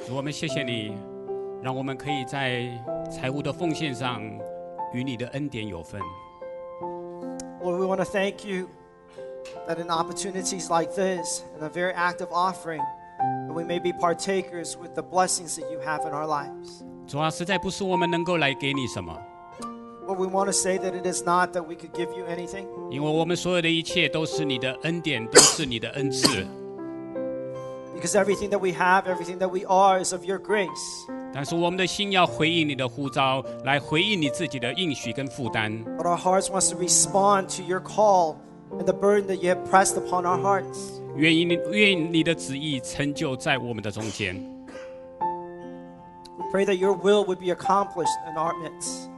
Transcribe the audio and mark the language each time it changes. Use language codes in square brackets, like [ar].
[zh] 谢谢你，让我们可以在财务的奉献上与你的恩典有分。 [en] Lord, we want to thank you that in opportunities like this, in a very act of offering, that we may be partakers with the blessings that you have in our lives. [zh] 主啊，实在不是我们能够来给你什么。 [en] Lord, we want to say that it is not that we could give you anything. [zh] 因为我们所有的一切都是你的恩典，都是你的恩赐。 [en] Because everything that we have, everything that we are is of your grace. [zh] 但是我们的心要回应你的呼召，来回应你自己的应许跟负担。 [en] But our hearts want to respond to your call and the burden that you have pressed upon our hearts. [zh] 愿你的旨意成就在我们的中间。 [en] We pray that your will would be accomplished in our midst.